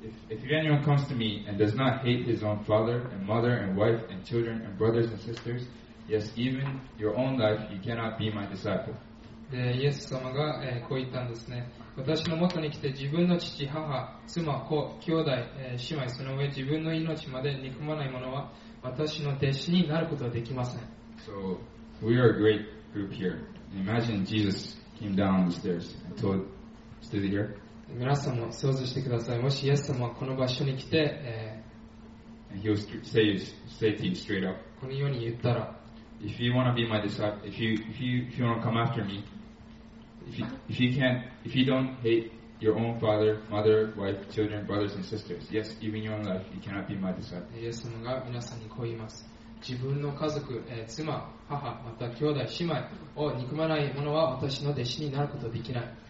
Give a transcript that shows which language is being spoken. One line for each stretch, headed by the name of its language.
English: If anyone comes to me and does not hate his own father and mother and wife and children and brothers and sisters, yes, even your own life, you cannot be my disciple.
Japanese: で、イエス様が、こう言ったんですね。私の元に来て自分の父、母、妻、子、兄弟、姉妹、その上自分の命まで憎まない者は私の弟子になることはできません。
English: So, we are a great group here. Imagine Jesus came down the stairs and told, stood here.
Japanese: 皆さんも想像してください。もしイエス様はこの場所に来て、
English: And he'll say to him straight up.
Japanese: このように言ったら、
English: If you want to be my disciple, if you want to come after me, if you don't hate your own father, mother, wife, children, brothers and sisters, yes, even your own life, you cannot be my disciple.
Japanese: イエス様が皆さんにこう言います。自分の家族、妻、母、また兄弟、姉妹を憎まない者は私の弟子になることできない。